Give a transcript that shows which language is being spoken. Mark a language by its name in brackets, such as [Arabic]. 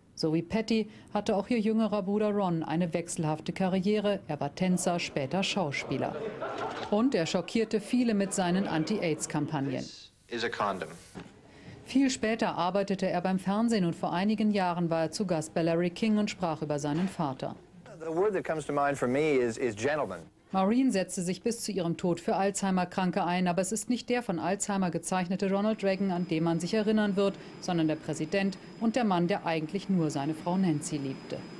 [German] So wie Patty hatte auch ihr jüngerer Bruder Ron eine wechselhafte Karriere. Er war Tänzer, später Schauspieler. Und er schockierte viele mit seinen Anti-AIDS-Kampagnen. [English] This is a condom. [German] Viel später arbeitete er beim Fernsehen und vor einigen Jahren war er zu Gast bei Larry King und sprach über seinen Vater. [English] The word that comes to mind for me is gentleman. [German] Maureen setzte sich bis zu ihrem Tod für Alzheimer-Kranke ein, aber es ist nicht der von Alzheimer gezeichnete Ronald Reagan, an den man sich erinnern wird, sondern der Präsident und der Mann, der eigentlich nur seine Frau Nancy liebte.